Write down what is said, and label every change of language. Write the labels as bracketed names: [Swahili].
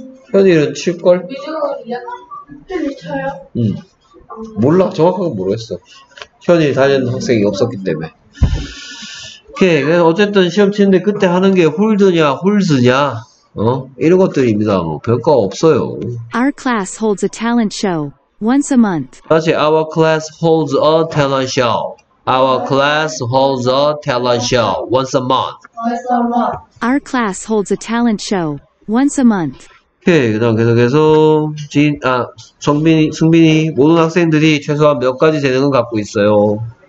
[Korean] 현일은 칠 걸? 미주가 1학년? 현일 쳐요? 응. 몰라. 정확하게 모르겠어. 현일 다니는 학생이 없었기 때문에. 오케이. 어쨌든 시험 치는데 그때 하는 게 홀드냐, 홀즈냐. 어? 이런 것들입니다. 뭐, 별거 없어요. [English] Our class holds a talent show once a month. [Korean] 다시, [English] our class holds a talent show. Our class holds a talent show once a month. Our class holds a talent show once a month. [Korean] Okay, 그다음 계속해서 진, 아, 정빈이, 승빈이 모든 학생들이 최소한 몇 가지 재능을 갖고 있어요.